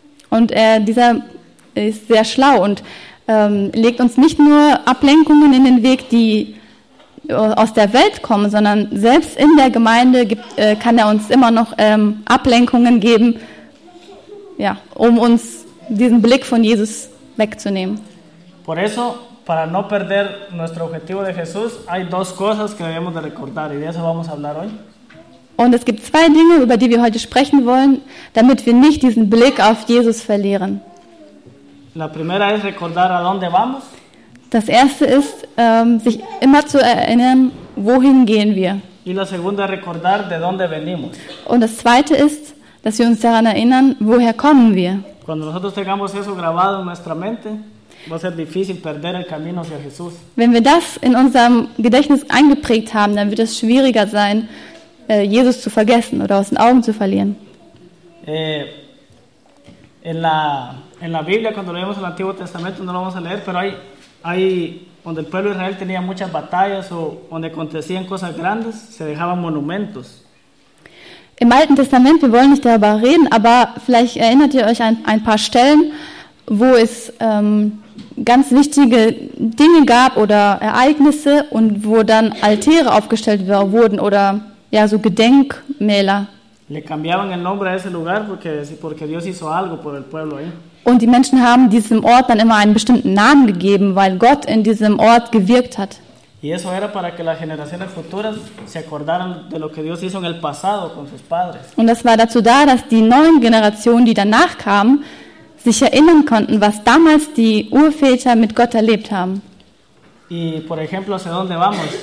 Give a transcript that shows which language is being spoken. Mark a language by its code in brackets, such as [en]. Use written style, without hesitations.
[de] Und dieser ist sehr schlau und legt uns nicht nur Ablenkungen in den Weg, die aus der Welt kommen, sondern selbst in der Gemeinde kann er uns immer noch Ablenkungen geben, ja, um uns diesen Blick von Jesus wegzunehmen. [es] Por eso, para no perder nuestro objetivo de Jesús, hay dos cosas que debemos de recordar, y de eso vamos a hablar hoy. [de] Und es gibt zwei Dinge, über die wir heute sprechen wollen, damit wir nicht diesen Blick auf Jesus verlieren. [es] La primera es recordar a dónde vamos. [de] Das erste ist, sich immer zu erinnern, wohin gehen wir. [es] Y la segunda, recordar de dónde venimos. [de] Und das zweite ist, dass wir uns daran erinnern, woher kommen wir. [es] Cuando nosotros tengamos eso grabado en nuestra mente, va a ser difícil perder el camino hacia Jesús. [de] Wenn wir das in unserem Gedächtnis eingeprägt haben, dann wird es schwieriger sein, Jesus zu vergessen oder aus den Augen zu verlieren. [es] En la Biblia, cuando leemos el Antiguo Testamento, no lo vamos a leer, pero hay donde el pueblo de Israel tenía muchas batallas o donde acontecían cosas grandes, se dejaban monumentos. [de] Im Alten Testament, wir wollen nicht darüber reden, aber vielleicht erinnert ihr euch an ein paar Stellen, wo es ganz wichtige Dinge gab oder Ereignisse und wo dann Altäre aufgestellt wurden oder ja, so Gedenkmäler. [es] Le cambiaban el nombre a ese lugar porque Dios hizo algo por el pueblo ahí. [de] Und die Menschen haben diesem Ort dann immer einen bestimmten Namen gegeben, weil Gott in diesem Ort gewirkt hat. [es] Y eso era para que las generaciones futuras se acordaran de lo que Dios hizo en el pasado con sus padres. [de] Und das war dazu da, dass die neuen Generationen, die danach kamen, sich erinnern konnten, was damals die Urväter mit Gott erlebt haben. [es] Y por ejemplo, ¿hacia dónde vamos?